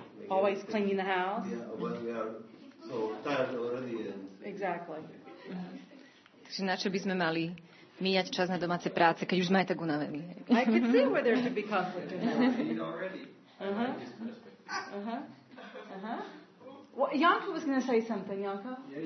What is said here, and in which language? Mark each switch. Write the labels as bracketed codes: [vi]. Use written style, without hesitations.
[en] Always cleaning the house? Yeah, but we are so tired already. Exactly. [sk] Takže na čo by sme mali míňať čas na domáce práce, keď už sme aj tak unavení? [en] I could see where there should be conflict. Well, Janka was going to say something, Janka.